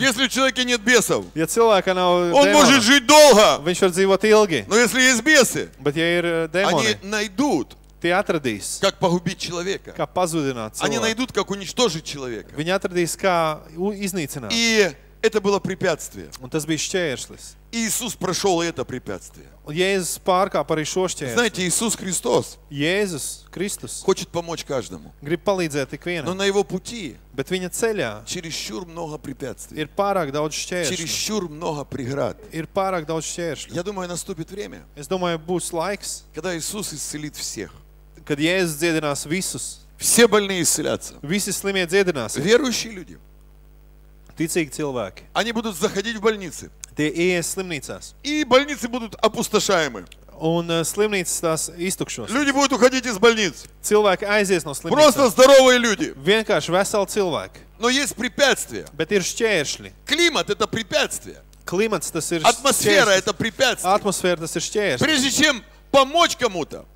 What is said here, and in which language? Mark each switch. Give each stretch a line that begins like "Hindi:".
Russian: Если у человека нет бесов.
Latvian: Ja cilvēka nav demoni.
Russian: Он может жить долго.
Latvian: Viņš var dzīvot ilgi.
Russian: Но если есть бесы.
Latvian: Bet ja ir demoni.
Russian: Они найдут.
Latvian: Tie atradīs.
Russian: Как погубить человека.
Latvian: Kā pazudināt cilvēku.
Russian: Они найдут, как уничтожить человека.
Latvian: Viņi atradīs, kā iznīcināt.
Russian: И это было препятствие.
Latvian: Un tas bija šķērslis.
Russian: Иисус прошел это препятствие.
Latvian: Jēzus pārkāpa arī šo šķērsli.
Russian: Знаете, Иисус Христос.
Latvian: Jēzus Kristus.
Russian: Хочет помочь каждому.
Latvian: Grib palīdzēt ikvienam.
Russian: Но на его пути.
Latvian: Bet viņa ceļā.
Russian: Чересчур много препятствий.
Latvian: Ir pārāk daudz šķēršļu.
Russian: Чересчур много преград.
Latvian: Ir pārāk daudz šķēršļu.
Russian: Я думаю, наступит время.
Latvian: Es domāju, būs laiks.
Russian: Когда Иисус исцелит всех.
Latvian: Kad Jēzus dziedinās visus.
Russian: Все больные исцелятся.
Latvian: Visi slimie dziedināsies.
Russian: Верующие люди.
Latvian: Ticīgi cilvēki.
Russian: Они будут заходить в больницы.
Latvian: Tie ies slimnīcās.
Russian: И больницы будут опустошаемы.
Latvian: Un slimnīcas tās iztukšos.
Russian: Люди будут уходить из больниц.
Latvian: Cilvēki aizies no slimnīcas.
Russian: Просто здоровые люди.
Latvian: Vienkārši veseli cilvēki.
Russian: Но есть препятствия.
Latvian: Bet ir šķēršļi.
Russian: Климат это препятствие.
Latvian: Климатс тас ир.
Russian: Атмосфера это препятствие.
Latvian: Атмосфера тас ир шķēršļi.
Russian: Прежде чем помочь кому-то.